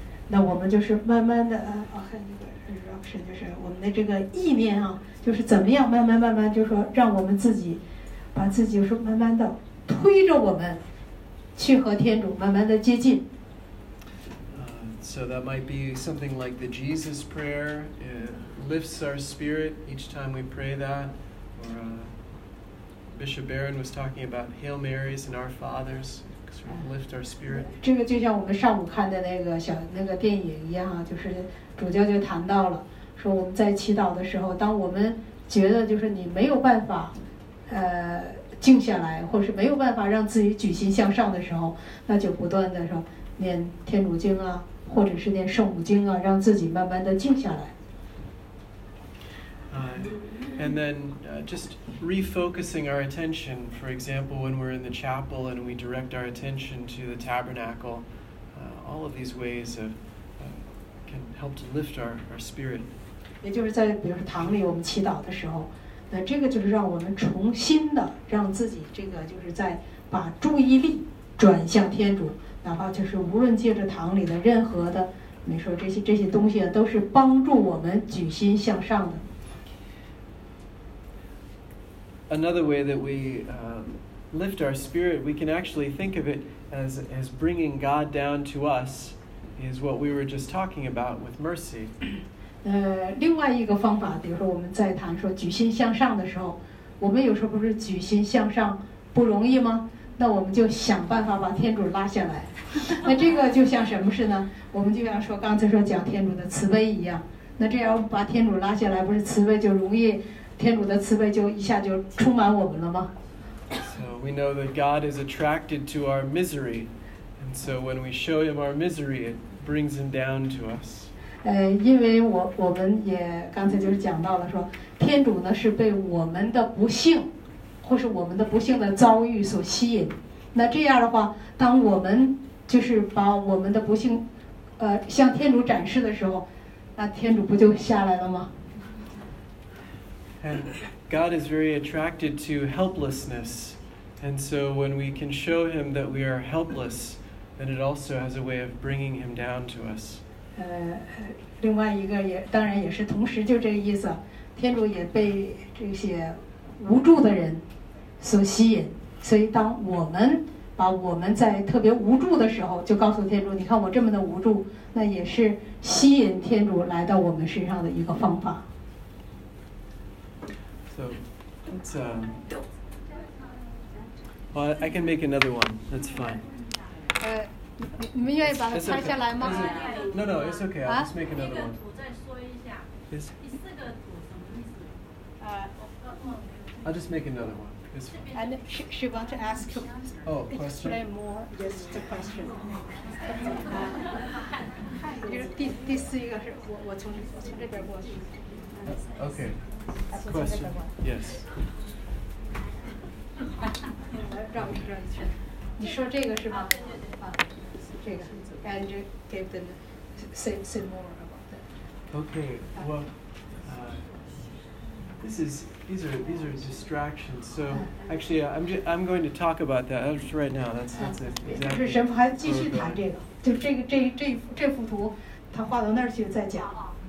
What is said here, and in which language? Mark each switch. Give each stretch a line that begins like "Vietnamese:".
Chinese: 那我们就是慢慢的，reaction 就是我们的这个意念啊，就是怎么样慢慢，就是说让我们自己，把自己就是慢慢的推着我们，去和天主慢慢的接近。
English: So that might be something like the Jesus prayer. It lifts our spirit each time we pray that. Or Bishop Barron was talking about Hail Marys and Our Fathers. Lift our spirit.
Chinese: 这个就像我们上午看的那个电影一样，就是主教就谈到了，说我们在祈祷的时候，当我们觉得就是你没有办法，静下来，或是没有办法让自己举心向上的时候，那就不断的说念天主经啊，或者是念圣母经啊，让自己慢慢的静下来。
English: And then just refocusing our attention, for example, when we're in the chapel and we direct our attention to the tabernacle, all of these ways of, can help to lift our spirit.
Chinese: 也就是在比如说堂里我们祈祷的时候，那这个就是让我们重新的让自己这个就是在把注意力转向天主，哪怕就是无论借着堂里的任何的，你说这些东西都是帮助我们举心向上的。
English: Another way that we lift our spirit, we can actually think of it as bringing God down to us, is what we were just talking about with mercy.
Chinese: 另外一个方法，比如说我们在谈说举心向上的时候，我们有时候不是举心向上不容易吗？那我们就想办法把天主拉下来。那这个就像什么事呢？我们就像说刚才说讲天主的慈悲一样，那这样把天主拉下来，不是慈悲就容易？天主的慈悲就一下就充满我们了吗？
English: So we know that God is attracted to our misery, and so when we show him our misery, it brings him down to us.
Chinese: 因为我们也刚才就是讲到了说，天主呢是被我们的不幸，或是我们的不幸的遭遇所吸引。那这样的话，当我们就是把我们的不幸，向天主展示的时候，那天主不就下来了吗？
English: And God is very attracted to helplessness. And so when we can show him that we are helpless, then it also has a way of bringing him down to us.
Chinese: 另外一个也当然也是同时就这个意思，天主也被这些无助的人所吸引，所以当我们把我们在特别无助的时候就告诉天主，你看我这么的无助，那也是吸引天主来到我们身上的一个方法。
English: So, let's, Well, I can make another one. That's fine.
Chinese: 你们愿意把它拍下来吗
English: okay, No, no, it's okay. I'll just make another one.
Chinese: 第四个图什么意思
English: I'll just make another one. It's fine. And she wants to ask you. Oh, question? Explain more. Yes, the question.
Chinese: 第四个是我从这边过去。
English: Okay. Question. Yes.
Chinese: 让我转一圈。你说这个是吗？这个。
English: And you gave them say more about that. Okay. Well, these are distractions. So actually, I'm going to talk about that just right now. That's it.
Chinese: 就是神父还继续谈这个，就这幅图，他画到那儿去再讲。